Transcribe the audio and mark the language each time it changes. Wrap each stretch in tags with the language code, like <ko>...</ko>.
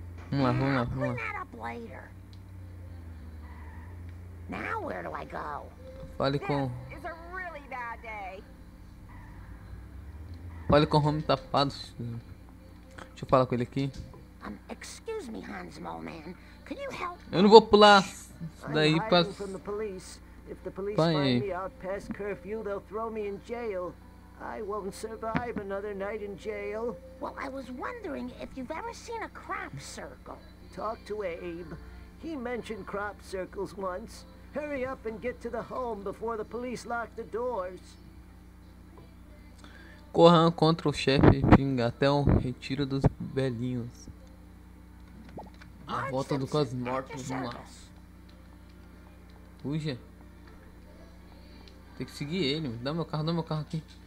<pt>Vamos lá, vamos lá, vamos lá.</pt> <en>Now where do I go?</en> <pt>Fale com.</pt> <en>This is a really bad day.</en> <pt>Fale com o homem tapado. Deixa eu falar com ele aqui.</pt> <en>Excuse me, Hans Moleman. Can you help me?</en> <pt>Eu não vou pular daí pra.</pt> <en>I'm hiding from the police. If the police find me out past curfew, they'll throw me in jail. I won't survive another night in jail. Well, I was wondering if you've ever seen a crop circle. Talk to Abe. He mentioned crop circles once. Hurry up and get to the home before the police lock the doors.</en> <pt>Corra contra o chefe pinga até o retiro dos velhinhos. A volta do quase morto, vamos lá. Fuja. Tem que seguir ele. Dá meu carro aqui.</pt>